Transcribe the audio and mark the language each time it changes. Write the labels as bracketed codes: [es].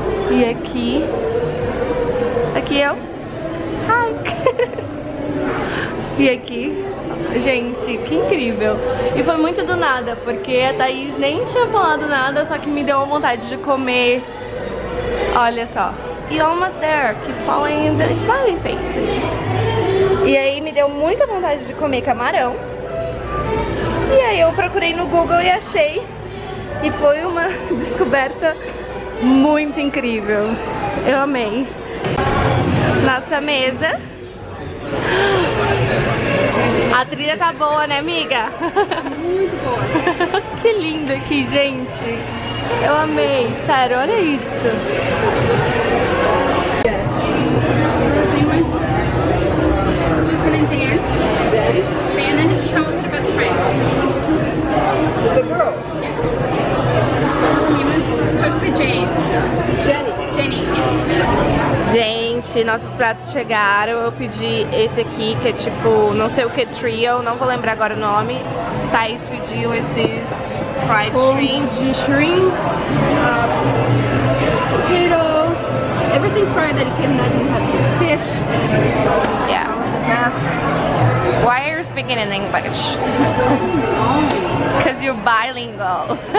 [pt] E aqui... aqui eu... ai! E aqui... gente, que incrível! E foi muito do nada, porque a Thaís nem tinha falado nada, só que me deu uma vontade de comer. Olha só. [en] E almost there, keep following the smiling faces. [pt] E aí me deu muita vontade de comer camarão. E aí eu procurei no Google e achei. E foi uma descoberta muito incrível. Eu amei. Nossa mesa. A trilha tá boa, né, amiga? Muito boa. Que lindo aqui, gente. Eu amei. Sério, olha isso. Gente, nossos pratos chegaram. Eu pedi esse aqui, que é tipo, não sei o que, trio, não vou lembrar agora o nome. Thaís pediu esses [en] fried shrimp. De shrimp, potato, everything fried that he can imagine. Fish. Yeah. Best. Why are you speaking in English? Because you're bilingual.